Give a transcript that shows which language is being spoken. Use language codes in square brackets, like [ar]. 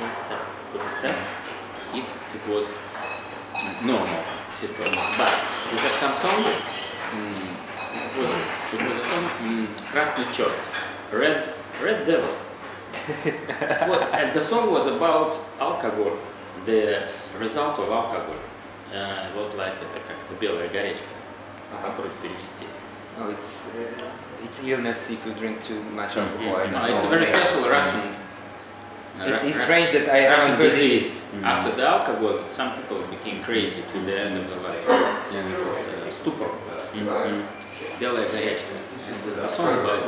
[en] If it was normal, she told me. But we have some songs. It was a song, Krasny Chert, Red Devil. And the song was about alcohol, the result of alcohol. It was like [ru] это как белая горечка. Попробуй перевести. [en] Oh, it's illness if you drink too much alcohol. It's a very special Russian. It's strange that I have a disease. After the alcohol, some people became crazy to the end of their life. Stupor. [ru] Белая горячка. [en] The song about